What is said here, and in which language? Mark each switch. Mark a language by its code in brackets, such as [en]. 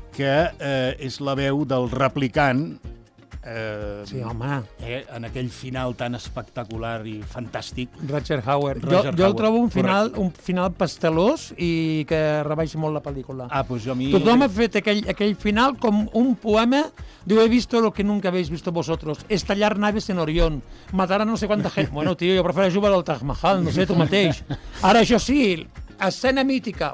[ca] que és la veu del replicant. Sí, home. En aquell final tan espectacular i fantàstic. Roger Howard. Jo el trobo un final pastelós i que rebaixa molt la pel·lícula. Ah, pues jo a mi... Tothom ha fet aquell final com un poema. [es] Diu, he visto lo que nunca habéis visto vosotros. Estallar naves en Orión. Matar a no sé [ca] quanta gent. Bueno, tio, jo prefereixo jugar al Taj Mahal, no sé, tu mateix. Ara, això sí, escena mítica.